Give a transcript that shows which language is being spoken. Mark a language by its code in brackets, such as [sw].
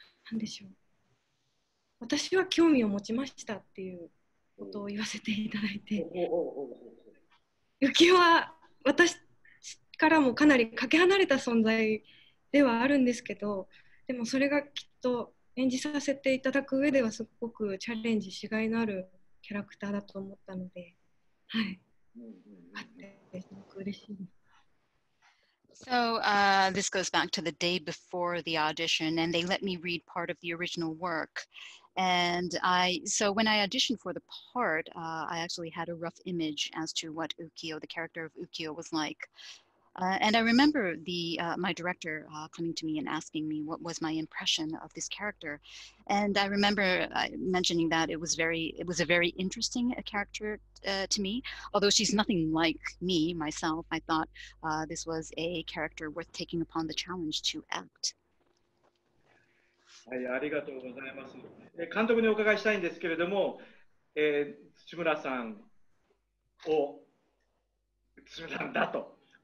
[ja] 何でしょう、私は興味を持ちましたっていうことを言わせていただいて、浮世は私からもかなりかけ離れた存在ではあるんですけど、でもそれがきっと演じさせていただく上ではすごくチャレンジしがいのあるキャラクターだと思ったので、はい、あってすごく嬉しいです。 [en] So, this goes back to the day before the audition, and they let me read part of the original work. And so when I auditioned for the part, I actually had a rough image as to what Ukiyo, the character of Ukiyo, was like. And I remember my director coming to me and asking me what was my impression of this character. And I remember mentioning that it was a very interesting character to me. Although she's nothing like me, myself, I thought this was a character worth taking upon the challenge to act. [ja] はい、ありがとうございます。監督にお伺いしたいんですけれども、土村さんを土村さんだと。